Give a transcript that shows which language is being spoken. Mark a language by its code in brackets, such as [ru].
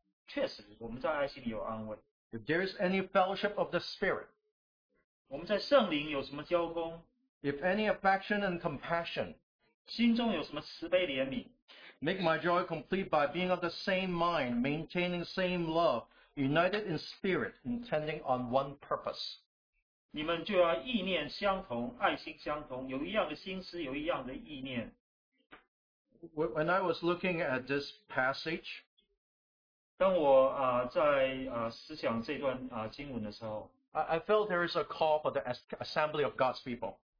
[zh] 在爱心有什么安慰？确实，我们在爱心里有安慰。 [en] If there is any fellowship of the Spirit, [zh] 我们在圣灵有什么交工？ [en] If any affection and compassion, [zh] 心中有什么慈悲怜悯？ [en] Make my joy complete by being of the same mind, maintaining same love, united in spirit, intending on one purpose. [zh] 你们就要意念相同，爱心相同，有一样的心思，有一样的意念。 [en] When I was looking at this passage, [zh] 当我在思想这段经文的时候, [en] I felt there is a call for the assembly of God's people.